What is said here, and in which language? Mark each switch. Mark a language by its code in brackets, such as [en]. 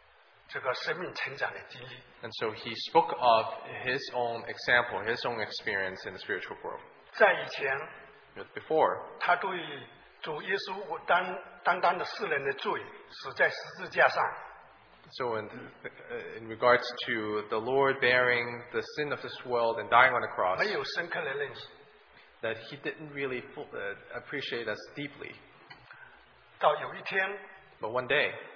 [zh] 他谈了自己这个属灵这个生命成长的经历。 [en] And so he spoke of his own example, his own experience in the spiritual world. [zh] 在以前, [en] before, [zh] 他对主耶稣担当的世人的罪死在十字架上。 [en] So in regards to the Lord bearing the sin of this world and dying on the cross, [zh] 没有深刻的认识。 [en] That he didn't really appreciate us deeply. [zh] 到有一天, [en] but one day,